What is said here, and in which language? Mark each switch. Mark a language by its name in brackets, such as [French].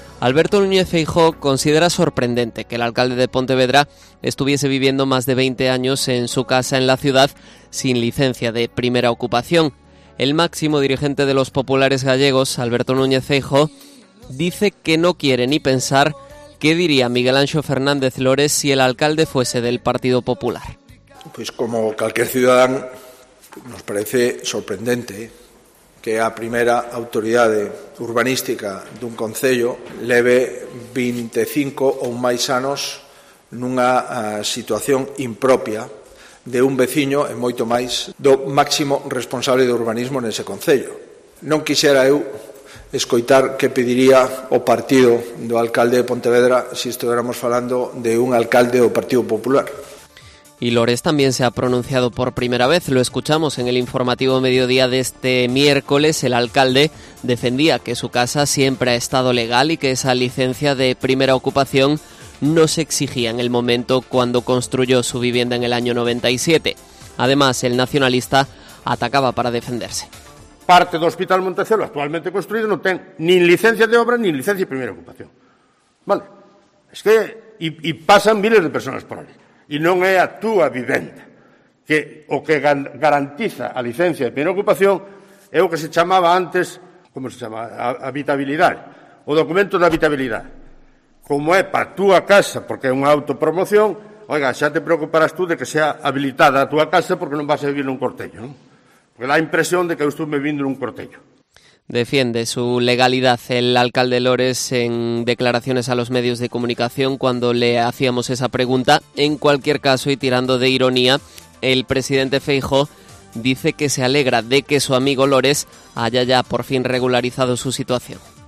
[Spanish] Alberto Núñez Feijóo considera sorprendente que el alcalde de Pontevedra estuviese viviendo más de 20 años en su casa en la ciudad sin licencia de primera ocupación. El máximo dirigente de los populares gallegos, Alberto Núñez Feijóo, dice que no quiere ni pensar qué diría Miguel Anxo Fernández Lores si el alcalde fuese del Partido Popular. Pues como cualquier ciudadano, nos parece sorprendente, [Galician] ¿eh?, que a primera autoridade urbanística dun concello leve 25 ou máis anos nunha situación impropia de un veciño e moito máis do máximo responsable de urbanismo nese concello. Non quixera eu escoitar que pediría o partido do alcalde de Pontevedra se estuéramos falando de un alcalde do Partido Popular. [Spanish] Y Lores también se ha pronunciado por primera vez, lo escuchamos en el informativo mediodía de este miércoles. El alcalde defendía que su casa siempre ha estado legal y que esa licencia de primera ocupación no se exigía en el momento cuando construyó su vivienda en el año 97. Además, el nacionalista atacaba para defenderse. Parte del Hospital Montecelo actualmente construido no tiene ni licencia de obra ni licencia de primera ocupación. Vale, es que y pasan miles de personas por allí. [Galician] E non é a túa vivenda que o que garantiza a licencia de primeira ocupación é o que se chamaba antes, como se chama, habitabilidade, o documento de habitabilidade. Como é para a túa casa, porque é unha autopromoción, oiga, xa te preocuparás tú de que sea habilitada a túa casa porque non vas a vivir nun cortello, non? Porque dá a impresión de que eu estuve vivindo nun cortello. [Spanish] Defiende su legalidad el alcalde Lores en declaraciones a los medios de comunicación cuando le hacíamos esa pregunta. En cualquier caso, y tirando de ironía, el presidente Feijóo dice que se alegra de que su amigo Lores haya ya por fin regularizado su situación.